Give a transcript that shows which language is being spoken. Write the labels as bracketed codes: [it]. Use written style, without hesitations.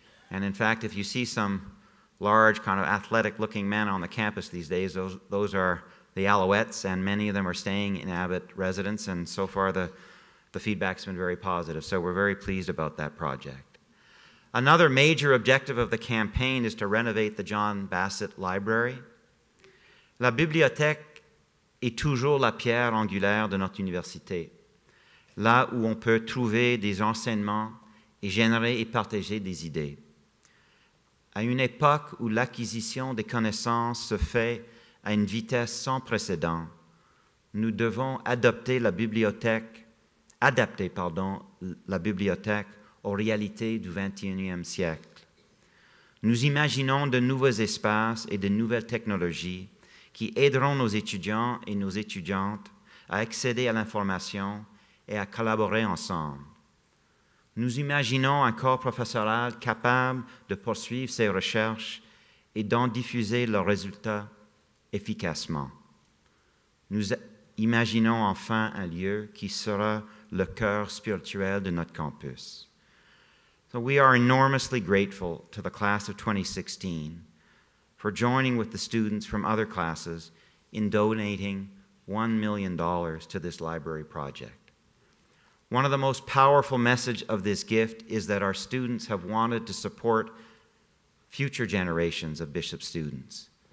[en] And in fact, if you see some large, kind of athletic-looking men on the campus these days, those are the Alouettes, and many of them are staying in Abbott residence, and so far the feedback's been very positive. So we're very pleased about that project. Another major objective of the campaign is to renovate the John Bassett Library. [fr] La bibliothèque est toujours la pierre angulaire de notre université. Là où on peut trouver des enseignements et générer et partager des idées. À une époque où l'acquisition des connaissances se fait à une vitesse sans précédent, nous devons adapter la bibliothèque aux réalités du 21e siècle. Nous imaginons de nouveaux espaces et de nouvelles technologies qui aideront nos étudiants et nos étudiantes à accéder à l'information et à collaborer ensemble. Nous imaginons un corps professoral capable de poursuivre ses recherches et d'en diffuser leurs résultats efficacement. Nous imaginons enfin un lieu qui sera le cœur spirituel de notre campus. [en] So we are enormously grateful to the class of 2016 for joining with the students from other classes in donating $1 million to this library project. One of the most powerful messages of this gift is that our students have wanted to support future generations of Bishop students.